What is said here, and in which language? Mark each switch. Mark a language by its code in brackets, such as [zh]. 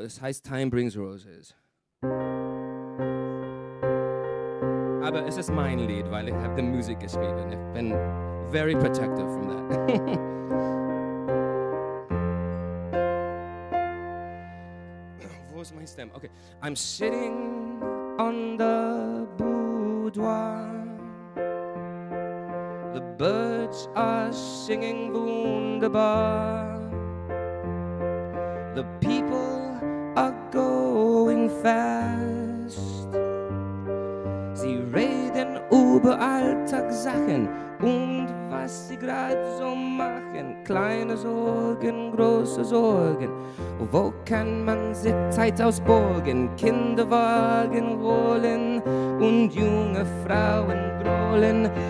[de] Das heißt Time Brings Roses. Aber es ist mein Lied, weil ich habe die Musik geschrieben. Ich bin [en] very protective from that. [de] Wo ist mein Stem? [en] Okay. I'm sitting on the boudoir. The birds are singing [de] wunderbar. [en] The people are going fast. [de] Sie reden über Alltagssachen und was sie gerade so machen. Kleine Sorgen, große Sorgen. Wo kann man sich Zeit ausborgen? Kinderwagen rollen und junge Frauen grollen.